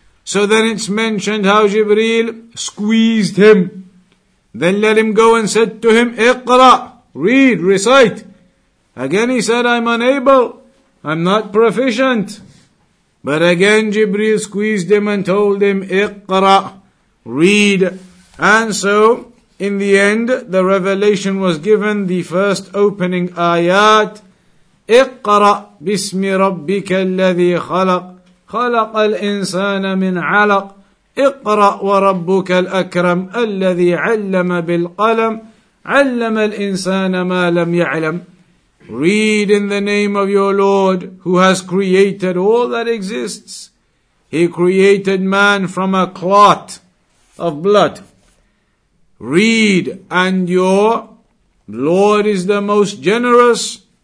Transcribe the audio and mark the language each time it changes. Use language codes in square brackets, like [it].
[en] So then it's mentioned how Jibreel squeezed him, then let him go and said to him, Iqra, read, recite. Again he said, I'm unable, I'm not proficient. But again Jibreel squeezed him and told him, Iqra, read. And so in the end, the revelation was given, the first opening ayat, [ar] اقرأ بسم ربك الذي خلق خلق الإنسان من علق اقرأ وربك الأكرم الذي علم بالقلم علم الإنسان ما لم يعلم. [en] Read in the name of your Lord who has created all that exists. He created man from a clot of blood. Read, and your Lord is the most generous.